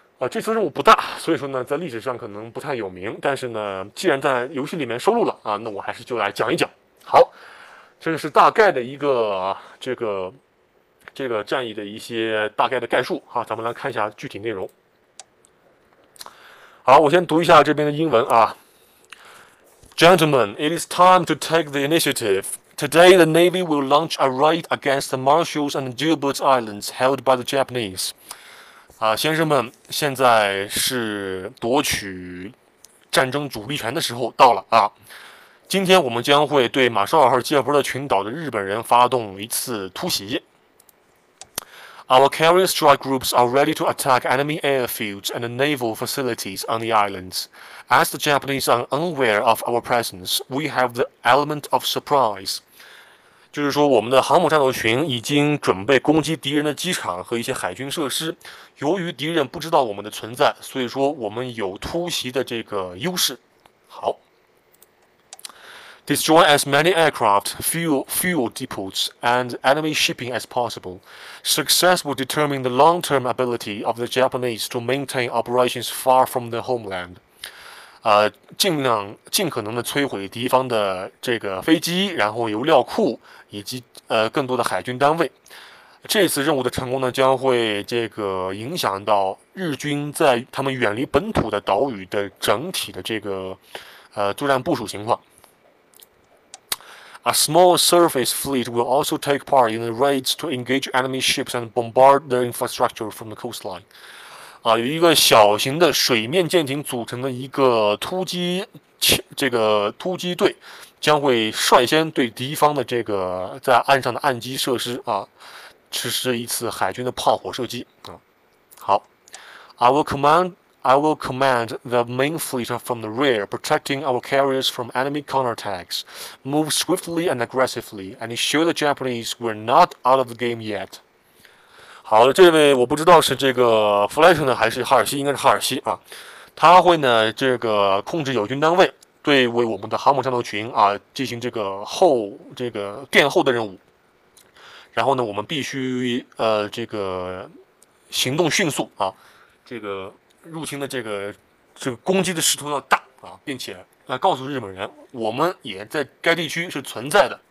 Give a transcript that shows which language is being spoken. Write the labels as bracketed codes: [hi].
[zh] 这次任务不大，所以说呢，在历史上可能不太有名。但是呢，既然在游戏里面收录了啊，那我还是就来讲一讲。好，这是大概的一个这个战役的一些大概的概述啊，咱们来看一下具体内容。好，我先读一下这边的英文啊。 [en] Gentlemen, it is time to take the initiative. Today, the Navy will launch a raid against the Marshalls and Gilbert Islands held by the Japanese. [zh] 啊，先生们，现在是夺取战争主力权的时候到了啊！今天我们将会对马绍尔号杰弗勒群岛的日本人发动一次突袭。 [en] Our carrier strike groups are ready to attack enemy airfields and naval facilities on the islands. As the Japanese are unaware of our presence, we have the element of surprise. [zh] 就是说，我们的航母战斗群已经准备攻击敌人的机场和一些海军设施。由于敌人不知道我们的存在，所以说我们有突袭的这个优势。 [en] 好，Destroy as many aircraft, fuel depots, and enemy shipping as possible. Success will determine the long-term ability of the Japanese to maintain operations far from the homeland. [zh] 尽可能的摧毁敌方的这个飞机，然后油料库以及更多的海军单位。这次任务的成功呢，将会这个影响到日军在他们远离本土的岛屿的整体的这个作战部署情况。 [en] A small surface fleet will also take part in the raids to engage enemy ships and bombard their infrastructure from the coastline. [zh] 啊，有一个小型的水面舰艇组成的一个突击，这个突击队将会率先对敌方的这个在岸上的岸基设施啊，实施一次海军的炮火射击啊。 [en] 好，I will command the main fleet from the rear, protecting our carriers from enemy counterattacks. Move swiftly and aggressively, and ensure the Japanese we're not out of the game yet. [zh] 好的，这位我不知道是这个弗莱特呢，还是哈尔西，应该是哈尔西啊。他会呢，这个控制友军单位，对为我们的航母战斗群啊进行这个殿后的任务。然后呢，我们必须这个行动迅速啊，这个入侵的这个攻击的势头要大啊，并且告诉日本人，我们也在该地区是存在的。